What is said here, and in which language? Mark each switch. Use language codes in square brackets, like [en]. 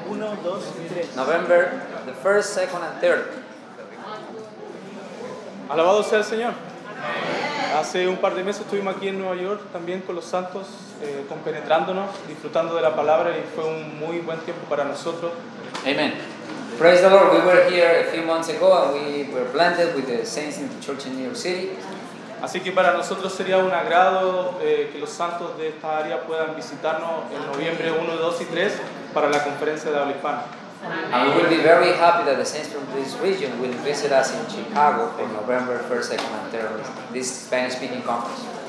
[es] 1, 2 y 3. [en] November the 1st, 2nd and 3rd. [es] Alabado sea el Señor. Hace un par de meses estuvimos aquí en Nueva York también con los santos, compenetrándonos, disfrutando de la palabra, y fue un muy buen tiempo para nosotros. [en] Amen. Praise the Lord. We were here a few months ago and we were blended with the saints in the church in New York City. [es] Así que para nosotros sería un agrado que los santos de esta área puedan visitarnos en noviembre 1, 2 y 3 para la conferencia de habla hispana. [en] And we will be very happy that the saints from this region will visit us in Chicago on November 1st, 2nd, and 3rd, this Spanish-speaking conference.